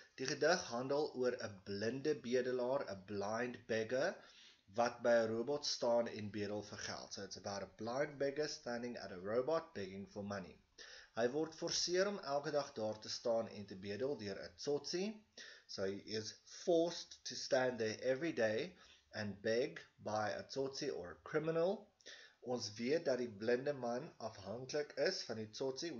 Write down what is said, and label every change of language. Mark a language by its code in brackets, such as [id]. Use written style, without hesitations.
[af] Die gedig handel oor 'n blinde bedelaar, [en] a blind beggar, [af] wat by 'n robot staan en bedel vir geld. [en] So it's about a blind beggar standing at a robot begging for money. [af] Hy word forceer om elke dag daar te staan en te bedel deur 'n tsotsie. [en] So he is forced to stand there every day and beg by a tsotsie or a criminal. [af] Ons weet dat die blinde man afhanklik is van die tsotsie.